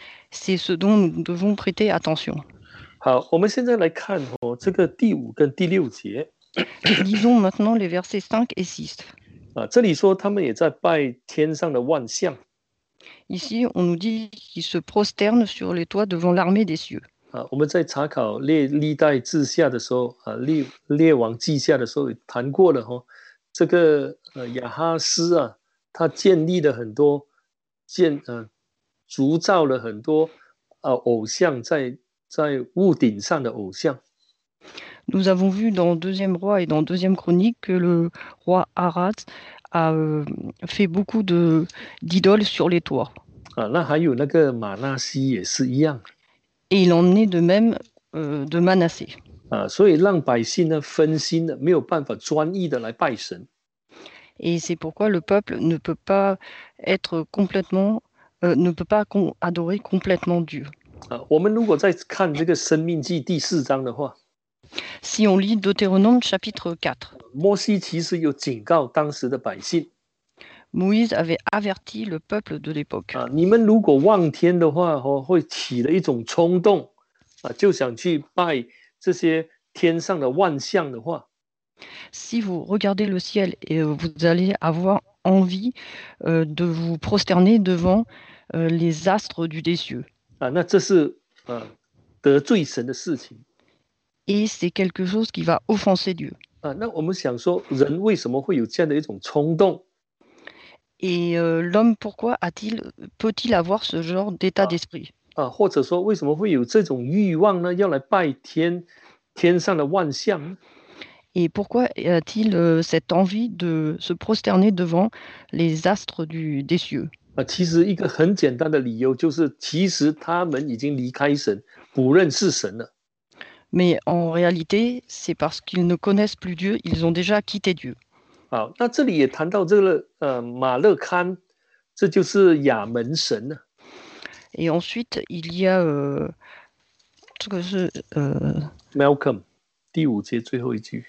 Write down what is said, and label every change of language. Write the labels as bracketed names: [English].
[French] C'est ce dont nous devons prêter attention. [Chinese] 好，我们现在来看哦，这个第五跟第六节。 [French] Lisons maintenant les versets 5 et 6. [Chinese] 这里说他们也在拜天上的万象。 [French] Ici, on nous dit qu'ils se prosternent sur les toits devant l'armée des cieux. [Chinese] 我们在查考历代志下的时候，列王记下的时候谈过了哈、这个亚哈斯啊，他建立了很多铸造了很多偶像在屋顶上的偶像。 [French] Nous avons vu dans Deuxième Roi et dans Deuxième Chronique que le roi Arad a fait beaucoup de d'idoles sur les toits. [Chinese] 啊，那还有那个马纳西也是一样， [French] Et il en est de même de Manassé. [Chinese] 啊，所以让百姓呢分心的，没有办法专一的来拜神。 [French] Et c'est pourquoi le peuple ne peut pas être complètement, ne peut pas adorer complètement Dieu. [Chinese] 啊，我们如果再看这个《生命记》第四章的话， [French] Si on lit Deutéronome chapitre 4, [Chinese] 摩西其实有警告当时的百姓。 [French] Moïse avait averti le peuple de l'époque. [Chinese] 啊，你们如果望天的话，哦，会起了一种冲动，啊，就想去拜这些天上的万象的话。 [French] Si vous regardez le ciel et vous allez avoir envie de vous prosterner devant les astres du dessus. [Chinese] 啊，那这是得罪神的事情。 [French] Et c'est quelque chose qui va offenser Dieu. [Chinese] 啊，那我们想说，人为什么会有这样的一种冲动？ [French] Et l'homme, pourquoi a-t-il, peut-il avoir ce genre d'état d'esprit? [Chinese] 啊，或者说，为什么会有这种欲望呢？要来拜天，天上的万象。 [French] Et pourquoi a-t-il cette envie de se prosterner devant les astres des cieux? [Chinese] 啊，其实一个很简单的理由就是，其实他们已经离开神，不认识神了。 [French] Mais en réalité, c'est parce qu'ils ne connaissent plus Dieu, ils ont déjà quitté Dieu. [Chinese] 好，那这里也谈到这个马勒堪，这就是亚门神呢。 [French] Et ensuite, il y a ce que c'est [Chinese] Malcolm 第五节最后一句。